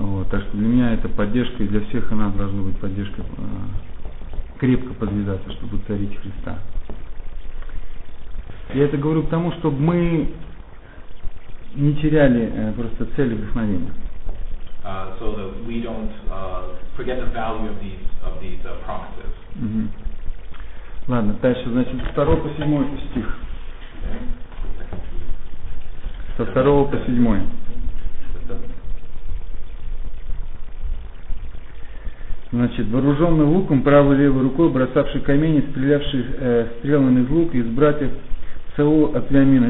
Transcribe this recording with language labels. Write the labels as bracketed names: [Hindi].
[Russian] Так что для меня это поддержка, и для всех она должна быть поддержкой, крепко подвязаться, чтобы царить Христа. Я это говорю к тому, чтобы мы не теряли просто цель и вдохновение. [English] So that we don't forget the value of these promises. Mm-hmm. [Russian] Ладно, дальше, значит, второй по седьмой стих. Со второго по седьмой. Значит, вооруженный луком, правой левой рукой, бросавший камень, стрелявший стрелами из лука, из братьев Саула от Вениамина.